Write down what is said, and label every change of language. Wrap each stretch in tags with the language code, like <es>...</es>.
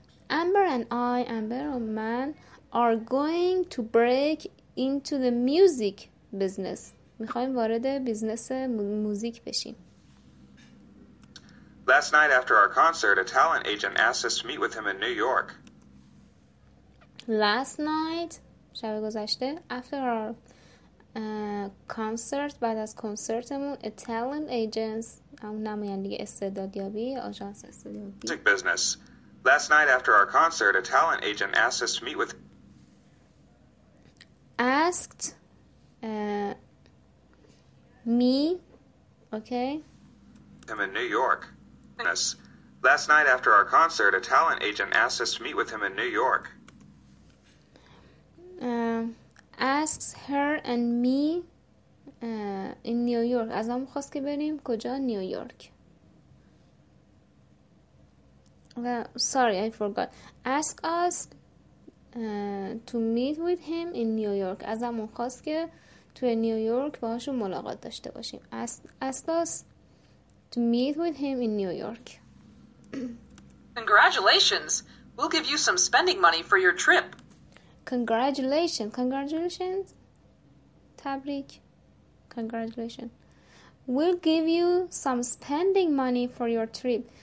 <en>Amber and I are going to break into the music business.</en> <fa>میخوایم وارد بیزنس موزیک بشیم.</fa> <en>Last night after our concert, a talent agent asked us to meet with him in New York. Last night,</en> <fa>شب گذشته,</fa> <en>after our concert,</en> <fa>بعد از کنسرتمون,</fa> <en>a talent agent,</en> <fa>نمایندگی استعدادیابی, آژانس استعدادیابی.</fa> <en>Music business. Last night after our concert, a talent agent asked us to meet with asked me, okay? Him in New York. Yes. Last night after our concert, a talent agent asked us to meet with him in New York. Asks her and me in New York.</en> <fa>از هم خواست که بریم کجا؟ New York.</fa> <en>Sorry, I forgot. Ask us to meet with him in New York.</en> <fa>از همون خواست که توی نیویورک باهاشون ملاقات داشته باشیم.</fa> <en>Asked us to meet with him in New York. Congratulations! We'll give you some spending money for your trip. Congratulations! تبریک. Congratulations. We'll give you some spending money for your trip.</en>